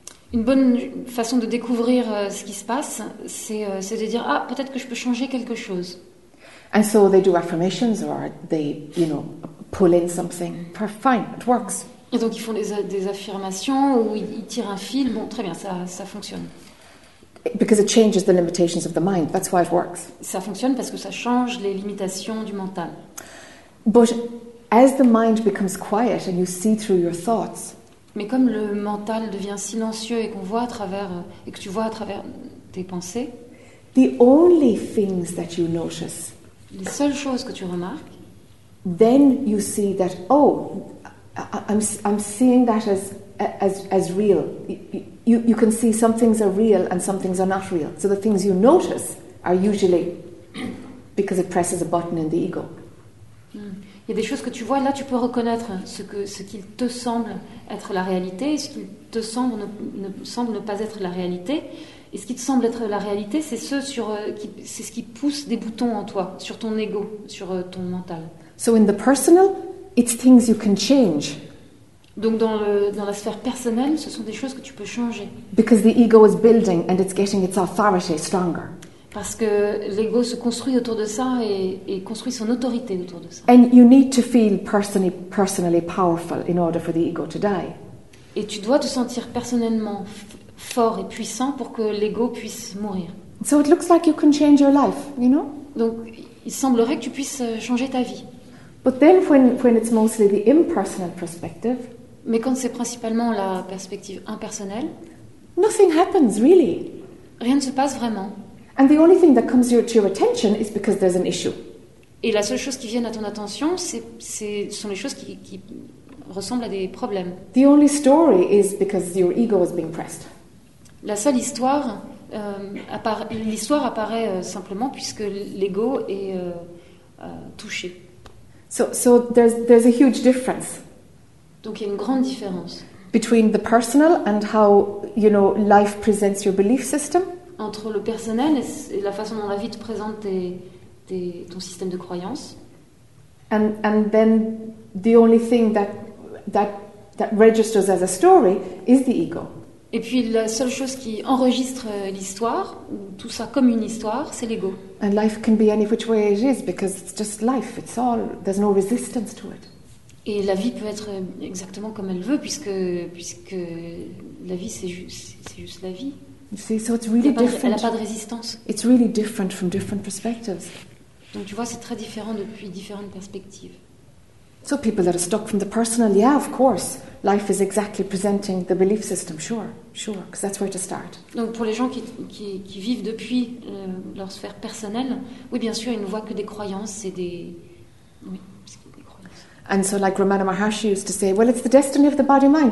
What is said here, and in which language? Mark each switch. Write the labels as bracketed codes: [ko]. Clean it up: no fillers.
[fr] Une bonne façon de découvrir ce qui se passe, c'est de dire, ah, peut-être que je peux changer quelque chose. [en] And so they do affirmations or they, pull in something. Fine, it works. [fr] Et donc ils font des affirmations ou ils tirent un fil. Bon, très bien, ça fonctionne. [en] Because it changes the limitations of the mind. That's why it works. [fr] Ça fonctionne parce que ça change les limitations du mental. [en] But as the mind becomes quiet and you see through your thoughts. [fr] Mais comme le mental devient silencieux et qu'on voit à travers et que tu vois à travers tes pensées. [en] The only things that you notice. [fr] Les seules choses que tu remarques. [en] Then you see that I'm seeing that as real. You can see some things are real and some things are not real. So the things you notice are usually because it presses a button in the ego. [fr] Il y a des choses que tu vois, là tu peux reconnaître ce qu'il te semble être la réalité et ce qu'il te semble ne pas être la réalité. Et ce qui te semble être la réalité, c'est ce qui pousse des boutons en toi, sur ton ego, sur ton mental. [en] So in the personal, it's things you can change. [fr] Donc dans la sphère personnelle, ce sont des choses que tu peux changer. [en] Because the ego is building and it's getting its authority stronger. [fr] Parce que l'ego se construit autour de ça et construit son autorité autour de ça. [en] And you need to feel personally powerful in order for the ego to die. [fr] Et tu dois te sentir personnellement fort et puissant pour que l'ego puisse mourir. [en] So it looks like you can change your life, you know? [fr] Donc il semblerait que tu puisses changer ta vie. [en] But then when it's mostly the impersonal perspective. [fr] Mais quand c'est principalement la perspective impersonnelle. [en] Nothing happens really. [fr] Rien ne se passe vraiment. [en] And the only thing that comes to your attention is because there's an issue. [fr] Et la seule chose qui vient à ton attention, ce sont les choses qui ressemblent à des problèmes. [en] The only story is because your ego is being pressed. [fr] La seule histoire, l'histoire apparaît simplement puisque l'ego est touché. [en] So there's a huge difference. [fr] Donc il y a une grande différence. [en] Between the personal and how, you know, life presents your belief system. [fr] Entre le personnel et la façon dont la vie te présente ton système de croyances. [en] And then the only thing that registers as a story is the ego. [fr] Et puis la seule chose qui enregistre l'histoire, ou tout ça comme une histoire, c'est l'ego. [en] And life can be any which way it is, because it's just life, it's all, there's no resistance to it. [fr] Et la vie peut être exactement comme elle veut, puisque la vie, c'est juste la vie. [en] See, so it's really different. [fr] Elle n'a pas de résistance. [en] It's really different from different perspectives. [fr] Donc tu vois, c'est très différent depuis différentes perspectives. [en] So people that are stuck from the personal, yeah, of course, life is exactly presenting the belief system, sure, because that's where to start. [fr] Donc pour les gens qui vivent depuis leur sphère personnelle, oui, bien sûr, ils ne voient que des croyances et des... Oui. [en] And so, like Ramana Maharshi used to say, well, it's the destiny of the body-mind.